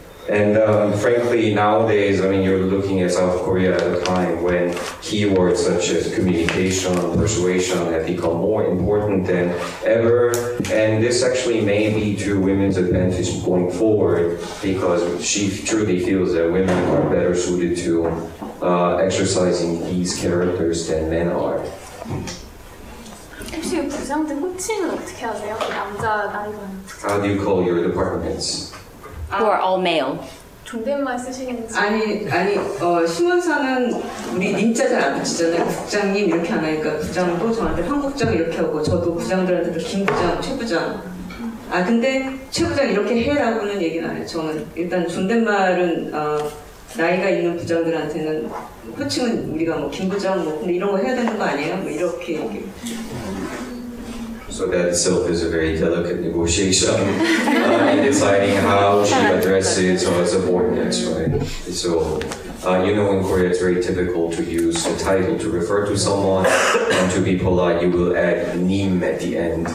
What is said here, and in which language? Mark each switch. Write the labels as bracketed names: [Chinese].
[English] And frankly, nowadays, I mean, you're looking at South Korea at a time when keywords such as communication and persuasion have become more important than ever. And this actually may be to women's advantage going forward because she truly feels that women are better suited to exercising these characters than men are. [Korean] 혹시 부장님 호칭은 어떻게 하세요? 남자 나이가 [English] How do you call your department heads? Who are all male. [Korean] 존댓말 쓰시겠지? 아니, 신문사는 우리 님자 잘 안 붙이잖아요. 국장님 이렇게 안 하니까 부장도 저한테 한국장 이렇게 하고 저도 부장들한테도 김부장, 최부장. 아, 근데 최부장 이렇게 해라고는 얘기는 안 해요. 저는 일단 존댓말은 나이가 있는 부장들한테는 호칭은 우리가 뭐 김부장 뭐 근데 이런 거 해야 되는 거 아니에요? 뭐 이렇게 얘기해요. [English] So that itself is a very delicate negotiation in deciding how she addresses her subordinates, right? So, you know, in Korea, it's very typical to use a title to refer to someone, and to be polite, you will add 님 at the end.